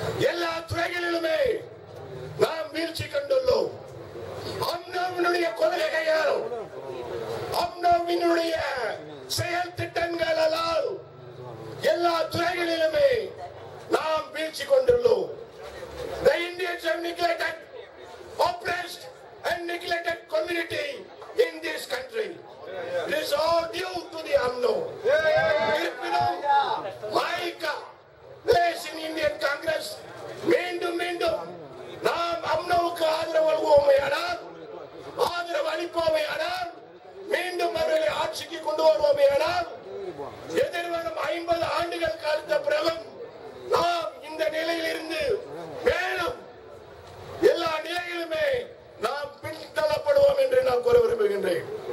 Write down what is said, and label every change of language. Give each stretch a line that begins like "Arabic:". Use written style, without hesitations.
Tamil: எல்லா துறைகளிலுமே நாம் வீழ்ச்சி கண்டுள்ளோம். அம்னோவினுடைய கொள்கைகள், அம்னோவினுடைய செயல் திட்டங்கள் எல்லாம் எல்லா துறைகளிலுமே நாம் வீழ்ச்சி கொண்டுள்ளோம்.
English: The Indians have neglected, oppressed and neglected community in this country. It is all due to the UMNO.
Tamil: இருப்பினும் மாயிக்க பிளேசின் இந்தியன் காங்கிரஸ் மீண்டும் மீண்டும் நாம் UMNOவுக்கு ஆதரவு அளிப்போமையானால், ஆதரவு அளிப்போமையானால், மீண்டும் அவர்களை ஆட்சிக்கு கொண்டு வருவோமையானால், எதிர்வரும் 50 ஆண்டுகள் காலத்த பிறகும் நாம் இந்த நிலையில் இருந்து மேலும் எல்லா நிலையிலுமே நாம் பின்தள்ளப்படுவோம் என்று நான் கூற விரும்புகின்றேன்.